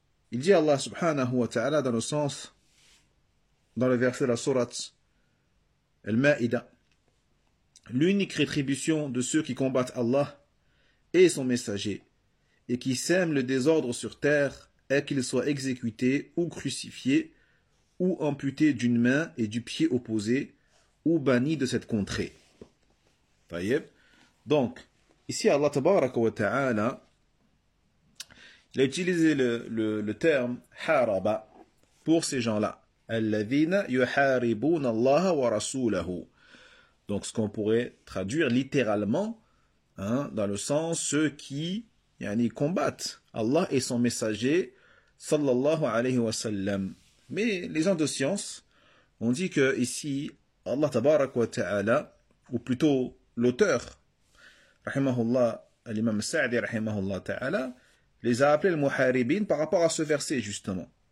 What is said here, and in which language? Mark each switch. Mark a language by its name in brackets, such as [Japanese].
[French] Il dit Allah subhanahu wa ta'ala dans le sens, dans le verset de la sourate Al-Ma'ida: l'unique rétribution de ceux qui combattent Allah et son messager et qui sèment le désordre sur terre est qu'ils soient exécutés ou crucifiés ou amputés d'une main et du pied opposé ou bannis de cette contrée. Tayyib. Donc, ici Allah tabaraka wa ta'ala a utilisé le terme haraba pour ces gens-là. [Arabic] الذين يحاربون الله ورسوله. [French] Donc ce qu'on pourrait traduire littéralement, dans le sens ceux qui combattent Allah et son messager sallallahu alayhi wa sallam. Mais les gens de science ont dit que ici Allah tabarak wa ta'ala, ou plutôt l'auteur rahimahullah, l'imam Sa'di rahimahullah ta'ala, les a appelés les muharibin par rapport à ce verset justement.